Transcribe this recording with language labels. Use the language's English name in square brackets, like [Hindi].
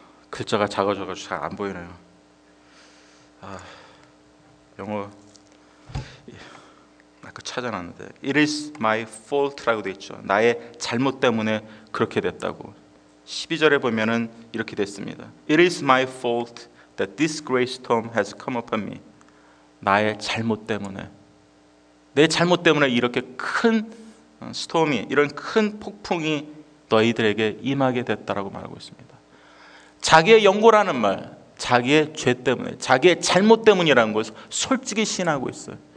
[Korean] Glitter가 작아져가지고 잘 안 보이네요. 아, 영어 아까 차, 찾아놨는데 [English] It is my fault [Korean] 라고 되어 있죠. 나의 잘못 때문에 그렇게 됐다고. 12절에 보면은 이렇게 됐습니다. [English] It is my fault that this great storm has come upon me. [Korean] 나의 잘못 때문에, 내 잘못 때문에 이렇게 큰 스톰이, 이런 큰 폭풍이 너희들에게 임하게 됐다라고 말하고 있습니다. 자기의 연고라는 말, 자기의 죄 때문에, 자기의 잘못 때문이라는 것을 솔직히 시인하고 있어요.